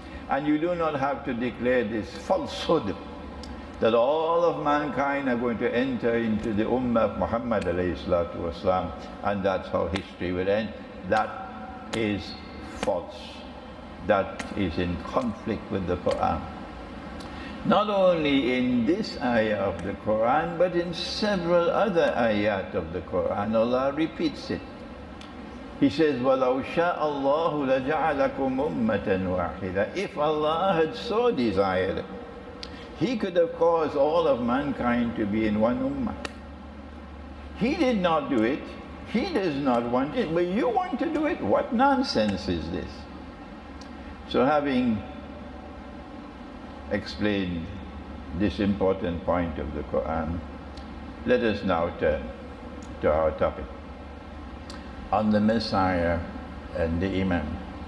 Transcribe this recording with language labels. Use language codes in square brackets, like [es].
[en] And you do not have to declare this falsehood that all of mankind are going to enter into the Ummah of Muhammad alayhi salatu wasalam, and that's how history will end. That is false. That is in conflict with the Quran. Not only in this ayah of the Quran, but in several other ayat of the Quran, Allah repeats it. [ar] He says, وَلَوْ شَاءَ اللَّهُ لَجَعَلَكُمْ أُمَّةً وَاحِدًا. [en] If Allah had so desired, He could have caused all of mankind to be in one ummah. He did not do it. He does not want it. But you want to do it? What nonsense is this? So having explained this important point of the Quran, let us now turn to our topic on the Messiah and the Imam.